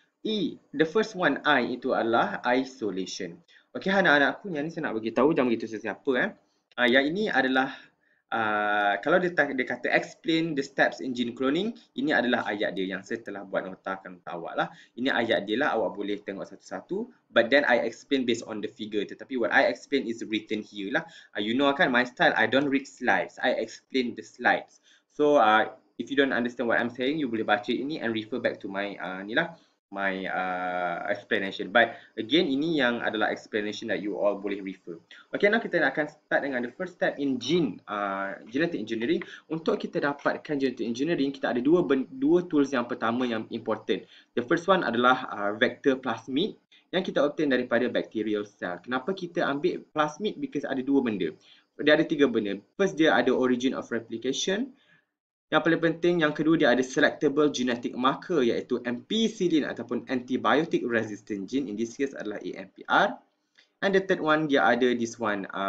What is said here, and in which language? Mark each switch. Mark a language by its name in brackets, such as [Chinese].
[English] E, the first one, I, [Malay] itu adalah [English] isolation. [Malay] Okay, anak-anakku, yang ni saya nak beritahu, jangan begitu sesiapa eh. Yang ini adalah... kalau dia kata [English] explain the steps in gene cloning, [Malay] ini adalah ayat dia yang saya telah buat notakan untuk awak lah. Ini ayat dia lah, awak boleh tengok satu-satu. [English] But then I explain based on the figure. [Malay] Tetapi [English] what I explain is written here lah. You know kan, my style, I don't read slides. I explain the slides. So, if you don't understand what I'm saying, you [Malay] boleh baca ini [English] and refer back to my [Malay] ni lah. [English] My explanation. But again, [Malay] ini yang adalah [English] explanation that you all [Malay] boleh [English] refer. Okay, now [Malay] kita akan [English] start [Malay] dengan [English] the first step in genetic engineering. [Malay] Untuk kita dapatkan genetic engineering, kita ada dua tools yang pertama yang [English] important. The first one [Malay] adalah [English] vector plasmid [Malay] yang kita [English] obtain [Malay] daripada [English] bacterial cell. [Malay] Kenapa kita ambil plasmid? [English] Because [Malay] ada dua benda. Dia ada tiga benda. First, dia ada origin of replication. Yang paling penting, yang kedua, dia ada selectable genetic marker iaitu ampicillin ataupun antibiotic resistant gene. [English] In this case [Malay] adalah [English] AMPR. And the third one, [Malay] dia ada [English] this one.